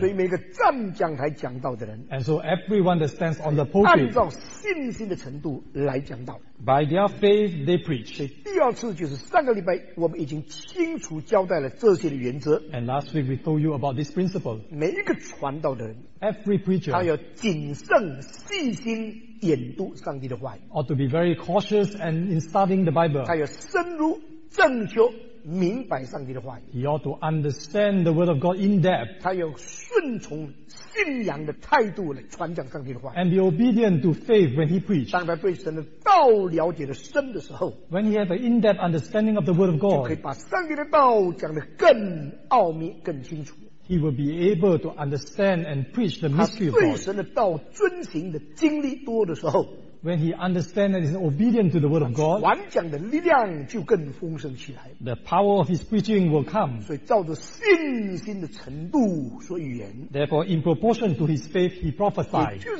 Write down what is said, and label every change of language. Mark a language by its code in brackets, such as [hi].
[zh] 所以每个站讲台讲道的人, [en] and so everyone that stands on the pulpit, [zh] 按照信心的程度来讲道, [en] by their faith, they preach. [zh] 所以第二次就是上个礼拜我们已经清楚交代了这些的原则, [en] and last week we told you about this principle. [zh] 每一个传道的人, [en] every preacher, [zh] 他要谨慎细心, 研读上帝的话, [en] ought to be very cautious and in studying the Bible. [zh] 他要深入正确, 明白上帝的话语, [en] he ought to understand the word of God in depth. [zh] 他要顺从信仰的态度来传讲上帝的话语, [en] and be obedient to faith when he preached. [zh] 当他对神的道了解的深的时候, [en] when he had an in-depth understanding of the word of God, [zh] 就可以把上帝的道讲得更奥秘更清楚。 [en] He will be able to understand and preach the mystery of God. [zh] 他对神的道遵行的经历多的时候, [en] when he understands that he is obedient to the word of God, [zh] 传讲的力量就更丰盛起来, [en] the power of his preaching will come. [zh] 所以照着信心的程度所预言, [en] therefore, in proportion to his faith, he prophesied.